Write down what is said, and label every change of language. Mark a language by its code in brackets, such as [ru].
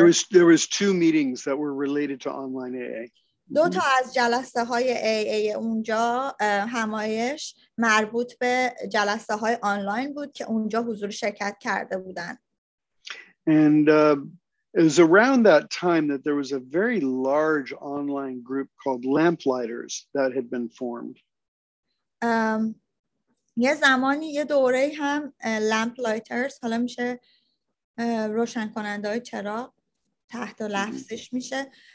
[en] There was two meetings that were related to online AA. [fa] دو تا از جلسه های AA اونجا همایش مربوط به جلسه های آنلاین بود که اونجا حضور شرکت کرده بودن. And it was around that time that there was a very large online group called Lamplighters that had been formed. یه زمانی یه دوره هم Lamplighters حالا میشه روشن کننده های چراغ تحت لفظش میشه.